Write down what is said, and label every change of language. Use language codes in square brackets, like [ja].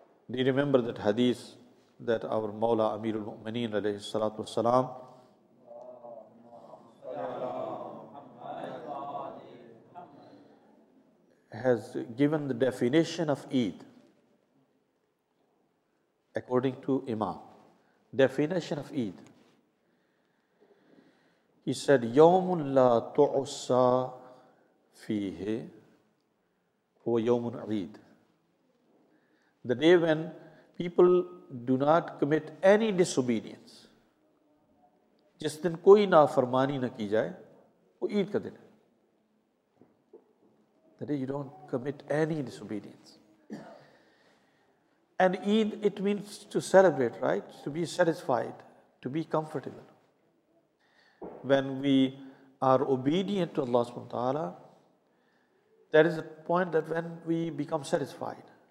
[en] Do you remember that hadith that our Mawla Amirul Mu'mineen alayhi salatu wasalam, has given the definition of Eid according to Imam. Definition of Eid. He said, [ar] يَوْمٌ لَا تُعُسَى فِيهِ هُوَ يَوْمٌ عِيد. [en] The day when people do not commit any disobedience, [ur] جس دن کوئی نافرمانی نہ کی جائے وہ عید کا دن ہے. [en] The day you don't commit any disobedience. And Eid, it means to celebrate, right? To be satisfied, to be comfortable. When we are obedient to Allah subhanahu wa ta'ala, that is the point that when we become satisfied.